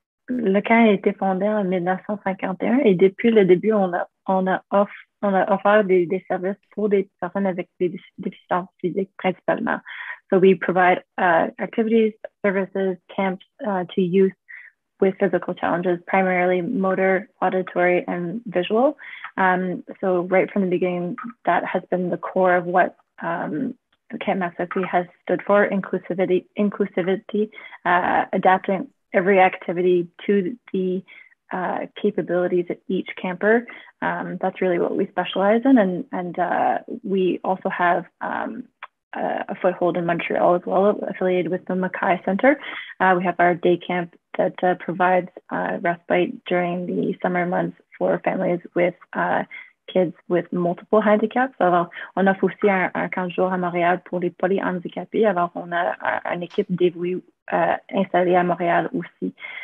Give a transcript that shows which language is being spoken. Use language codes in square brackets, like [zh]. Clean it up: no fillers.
[fr] Le camp a été fondé en 1951 et depuis le début, on a offert des services pour des personnes avec des déficiences physiques principalement. [en] So we provide activities, services, camps to youth with physical challenges, primarily motor, auditory, and visual. So right from the beginning, that has been the core of what Camp Massawippi has stood for: inclusivity, adapting every activity to the capabilities of each camper. That's really what we specialize in. And we also have a foothold in Montreal as well, affiliated with the Mackay Center. We have our day camp that provides respite during the summer months for families with kids with multiple handicaps. [fr] Alors, on offre aussi un camp de jour à Montréal pour les polyhandicapés. Alors, on a une équipe dévouée installée à Montréal aussi.